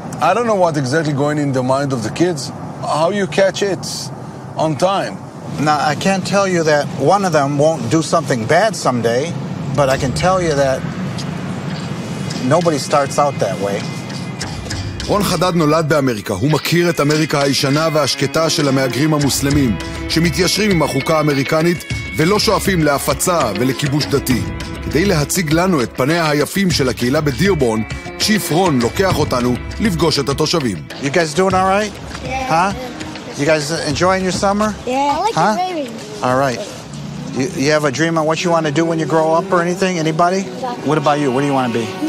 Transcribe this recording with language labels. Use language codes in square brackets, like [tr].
[en] I don't know what exactly going in the mind of the kids, how you catch it on time. Now, I can't tell you that one of them won't do something bad someday, but I can tell you that nobody starts out that way. [he] רון חדד נולד באמריקה. הוא מכיר את אמריקה הישנה והשקטה של המאגרים המוסלמים, שמתיישרים עם החוקה האמריקנית ולא שואפים להפצה ולכיבוש דתי. כדי להציג לנו את פניה היפים של הקהילה בדירבון, צ'יף רון לוקח אותנו לפגוש את התושבים. [en] You guys doing all right? Yeah. Huh? You guys enjoying your summer? Yeah. Huh? All right. You have a dream on what you want to do when you grow up or anything? Anybody? What about you? What do you want to be?